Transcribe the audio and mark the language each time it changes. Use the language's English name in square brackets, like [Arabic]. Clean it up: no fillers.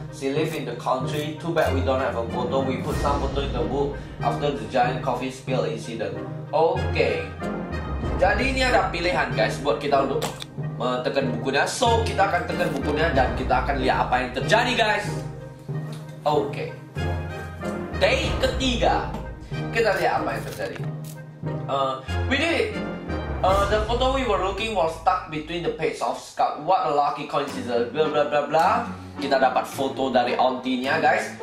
[English] She live in the country, too bad we don't have a photo. We put some photo in the book after the giant coffee spill incident. Okay. [Indonesian] Jadi ini ada pilihan guys buat kita untuk tekan bukunya. So, kita akan tekan bukunya dan kita akan lihat apa yang terjadi guys. Okay. Day ketiga, kita lihat apa yang terjadi. [English] We did it. The photo we were looking was stuck between the page of Scout. What a lucky coincidence. Blah blah blah blah. [Indonesian] Kita dapat foto dari auntie-nya, guys.